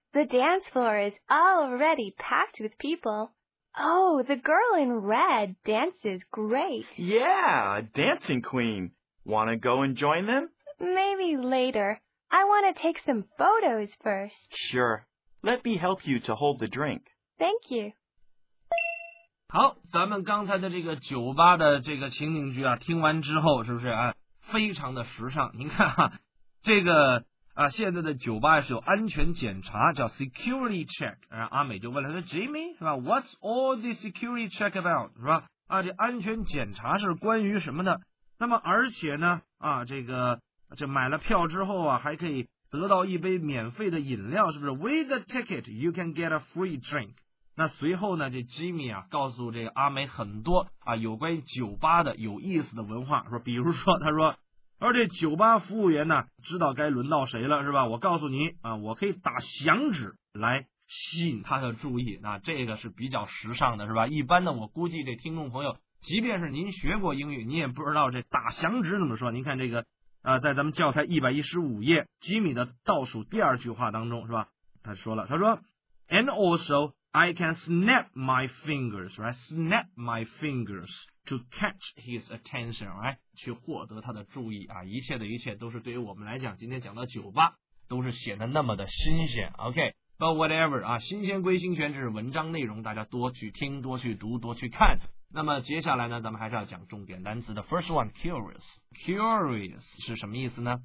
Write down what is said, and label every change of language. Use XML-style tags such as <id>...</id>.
<en>The dance floor is already packed with people. Oh, the girl in red dances great. Yeah, a dancing queen. Want to go and join them? Maybe later. I want to take some photos first. Sure. Let me help you to hold the drink. Thank you.</en> <zh>好，咱们刚才的这个酒吧的这个情景剧啊，听完之后是不是啊，非常的时尚？您看哈，这个啊，现在的酒吧是有安全检查，叫 security check。然后阿美就问了，说 Jimmy 是吧 ？</zh> <en>What's all the security check about</en> <zh>是吧？啊，这安全检查是关于什么的？那么而且呢，啊，这买了票之后啊，还可以得到一杯免费的饮料，是不是 ？</zh> <en>With the ticket, you can get a free drink。</en> <zh>那随后呢，这 Jimmy 啊，告诉这个阿美很多啊，有关于酒吧的有意思的文化，说，比如说，他说。而这酒吧服务员呢，知道该轮到谁了，是吧？我告诉你啊，我可以打响指来吸引他的注意，那这个是比较时尚的，是吧？一般的，我估计这听众朋友，即便是您学过英语，你也不知道这打响指怎么说。您看这个啊，在咱们教材115页，吉米的倒数第二句话当中，是吧？他说了，他说</zh> <en>，And also I can snap my fingers, right? Snap my fingers. To catch his attention, right?</en> <zh>去获得他的注意啊！一切的一切都是对于我们来讲，今天讲到酒吧，都是显得那么的新鲜。OK，</zh> <en>But whatever,</en> <zh>啊，新鲜归新鲜，这是文章内容，大家多去听，多去读，多去看。那么接下来呢，咱们还是要讲重点单词的 first one, curious. Curious 是什么意思呢？</zh>